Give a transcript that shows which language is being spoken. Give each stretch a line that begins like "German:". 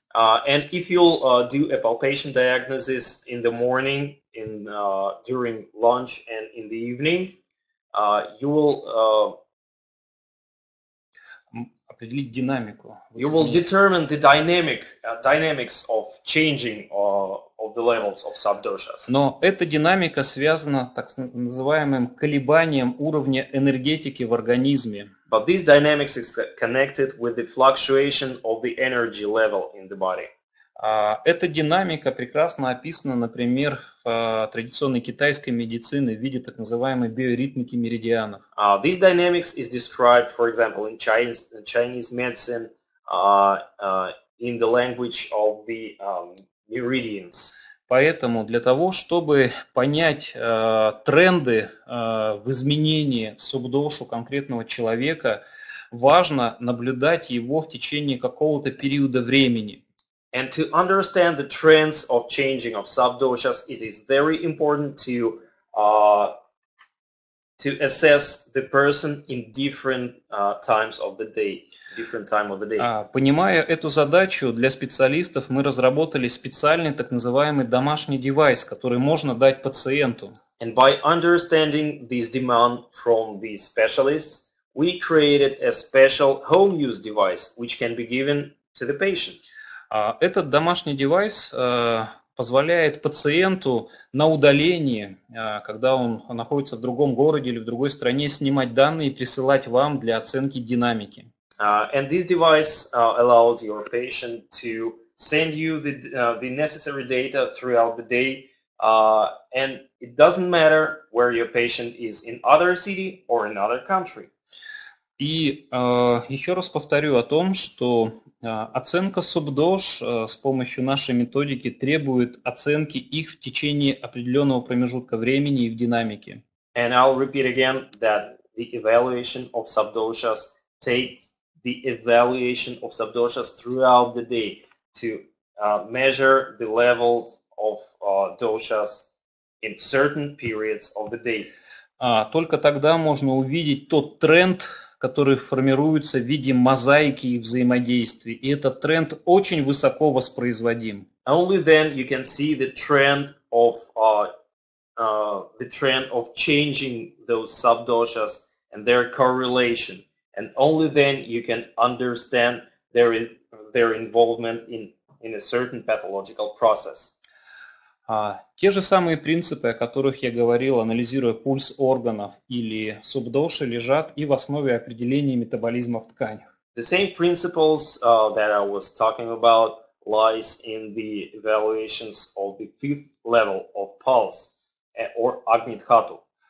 English: And if you'll do a palpation diagnosis in the morning, in during lunch, and in the evening, you will
Russian: определить динамику.
English: You will determine the dynamics of changing of the levels of subdoshas.
Russian: Но эта динамика связана так называемым колебанием уровня энергетики в организме.
English: But this dynamics is connected with the fluctuation of the energy level in the body.
Russian: Эта динамика прекрасно описана, например, в традиционной китайской медицине в виде так называемой биоритмики меридианов.
English: This dynamics is described, for example, in Chinese medicine, in the language of the meridians.
Russian: Поэтому для того, чтобы понять тренды в изменении субдошу конкретного человека, важно наблюдать его в течение какого-то периода времени.
English: And to understand the trends of changing of subdoshas, it is very important to assess the person in different times of the day, different time of the day.
Russian: Понимая эту задачу, для специалистов мы разработали специальный так называемый домашний девайс, который можно дать пациенту.
English: And by understanding this demand from these specialists, we created a special home use device, which can be given to the patient.
Russian: Этот домашний девайс позволяет пациенту на удалении, когда он находится в другом городе или в другой стране, снимать данные и присылать вам для оценки динамики.
English: And this device allows your patient to send you the necessary data throughout the day, and it doesn't matter where your patient is, in other city or in other country.
Russian: И еще раз повторю о том, что оценка субдош с помощью нашей методики требует оценки их в течение определенного промежутка времени и в динамике.
English: And I'll repeat again that the evaluation of subdoshas takes the evaluation of subdoshas throughout the day to measure the levels of doshas in certain periods of the day.
Russian: Только тогда можно увидеть тот тренд, которые формируются в виде мозаики и взаимодействий. И этот тренд очень высоко воспроизводим.
English: Only then you can see the trend of changing those subdoshas and their correlation. And only then you can understand their involvement in a certain pathological process.
Russian: Те же самые принципы, о которых я говорил, анализируя пульс органов или субдоши, лежат и в основе определения метаболизма в тканях.
English: The same principles that I was talking about lies in the evaluations of the fifth level of pulse or Агни-Дхату.